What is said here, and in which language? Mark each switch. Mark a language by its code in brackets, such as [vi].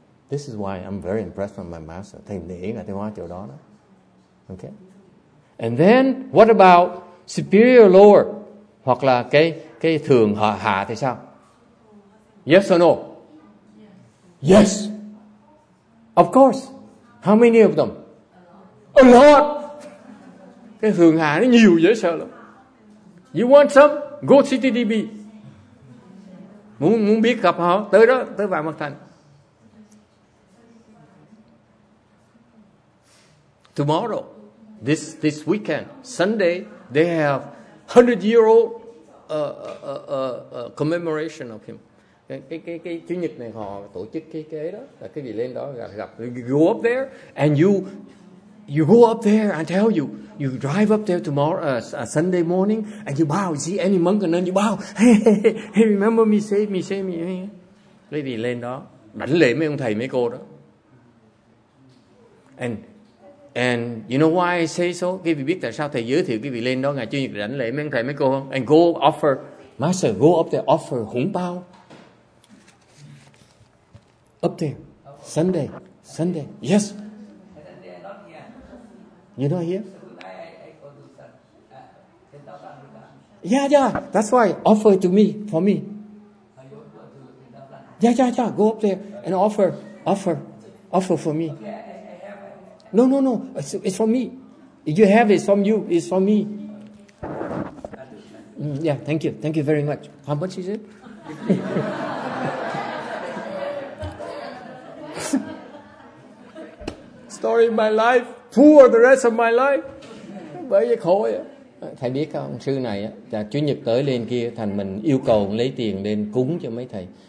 [en] This is why I'm very impressed with my master. [vi] Thầy để Ngài Thiên Hóa chỗ đó đó. Okay. [en] And then, what about superior lower? [vi] Hoặc là cái thường hạ thì sao? [en] Yes or no? Yes. Of course. How many of them? A lot. [vi] Cái thường hạ nó nhiều dễ sợ lắm. [en] You want some? Go CTDB. [vi] Muốn biết gặp họ, tới đó, tới Vạn Mật Thành. [en] Tomorrow, this weekend, Sunday, they have 100-year-old commemoration of him. [vi] Cái Chủ nhật này họ tổ chức cái đó, là cái gì lên đó gặp. [en] You go up there, and you go up there, I tell you, you drive up there tomorrow, Sunday morning, and you bow, see any monk, and then you bow, hey, remember me, save me. [vi] Cái gì lên đó, đảnh lễ mấy ông thầy, mấy cô đó. [en] And you know why I say so? [vi] Quý vị biết tại sao thầy giới thiệu quý vị lên đó ngày Chủ nhật rảnh lễ mấy anh thầy mấy cô không? [en] And go offer, Master, go up there, offer hủng bao. Up there, Sunday, yes. You're not here? Yeah, that's why, offer to me, for me. Yeah, go up there and offer for me. No, it's for me. If you have it, it's from you, it's for me. Yeah, thank you very much. How much is it? Story of my life, poor the rest of my life. [vi] Bởi vì khổ vậy. Thầy biết không, sư này, Chủ nhật tới lên kia, thành mình yêu cầu lấy tiền lên cúng cho mấy thầy.